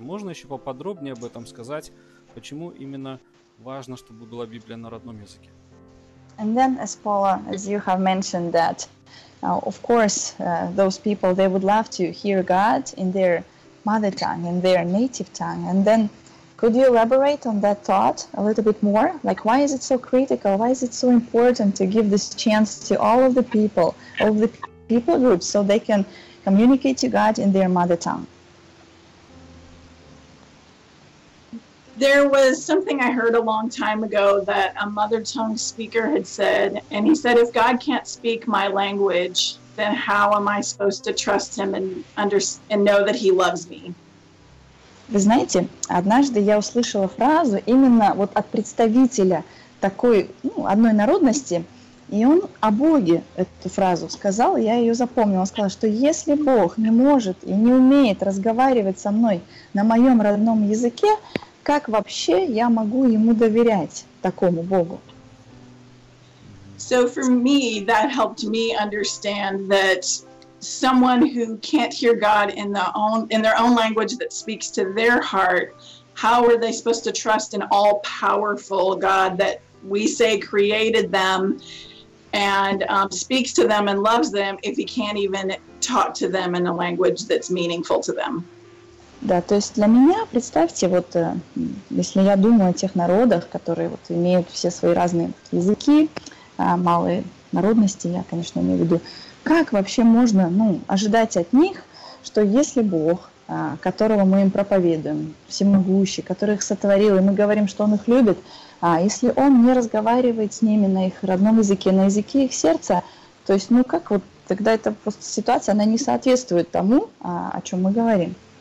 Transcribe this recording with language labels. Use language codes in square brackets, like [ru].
[ru] Можно еще поподробнее об этом сказать, почему именно важно, чтобы была Библия на родном языке? [en] And then, as Paula, as you have mentioned that, of course, those people, they would love to hear God in their mother tongue, in their native tongue, and then Could you elaborate on that thought a little bit more? Like, why is it so critical? Why is it so important to give this chance to all of the people, all the people groups, so they can communicate to God in their mother tongue? There was something I heard a long time ago that a mother tongue speaker had said, and he said, if God can't speak my language, then how am I supposed to trust him and know that he loves me? [ru] Вы знаете, однажды я услышала фразу именно вот от представителя такой, ну, одной народности, и он о Боге эту фразу сказал, я ее запомнила. Он сказал, что если Бог не может и не умеет разговаривать со мной на моем родном языке, как вообще я могу ему доверять, такому Богу? [en] So for me, that helped me understand that someone who can't hear God in their own language that speaks to their heart, how are they supposed to trust an all-powerful God that we say created them and speaks to them and loves them if he can't even talk to them in a language that's meaningful to them? [ru] Да, то есть для меня, представьте, вот если я думаю о тех народах, которые вот имеют все свои разные языки, малые народности, я, конечно, имею в виду, как вообще можно, ну, ожидать от них, что если Бог, которого мы им проповедуем, всемогущий, который их сотворил, и мы говорим, что Он их любит, а если Он не разговаривает с ними на их родном языке, на языке их сердца, то есть, ну, как вот, тогда эта просто ситуация, она не соответствует тому, о чем мы говорим.